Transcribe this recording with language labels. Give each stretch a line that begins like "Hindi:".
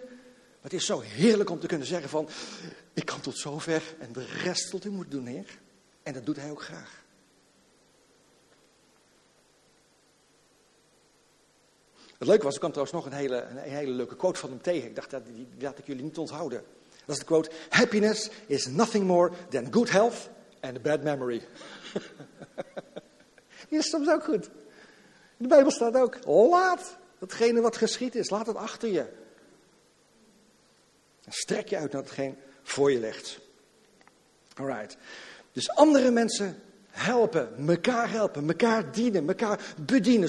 Dutch: Maar het is zo heerlijk om te kunnen zeggen van, ik kan tot zover en de rest tot u moet doen, Heer. En dat doet hij ook graag. Het leuke was, ik kwam trouwens nog een hele leuke quote van hem tegen. Ik dacht, die laat ik jullie niet onthouden. Dat is de quote,
English: happiness is nothing more than good health and a bad memory.
Dutch: Die is soms ook goed. De Bijbel staat ook, laat datgene wat geschied is, laat het achter je. En strek je uit naar hetgeen voor je ligt. Alright. Dus andere mensen helpen, elkaar dienen, elkaar bedienen.